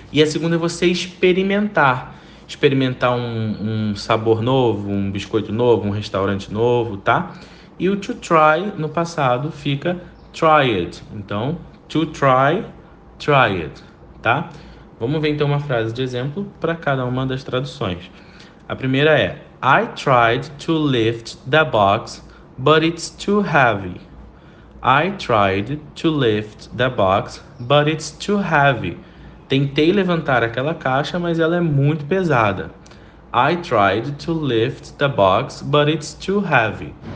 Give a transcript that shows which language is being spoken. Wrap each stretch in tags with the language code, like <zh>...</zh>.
<pt>E a segunda é você experimentar. Experimentar um sabor novo, um biscoito novo, um restaurante novo, tá? E o to try no passado fica tried. Então, to try, tried, tá? Vamos ver então uma frase de exemplo para cada uma das traduções. A primeira é:</pt> <en>I tried to lift the box, but it's too heavy. I tried to lift the box, but it's too heavy.</en> <pt>Tentei levantar aquela caixa, mas ela é muito pesada.</pt> <en>I tried to lift the box, but it's too heavy.</en>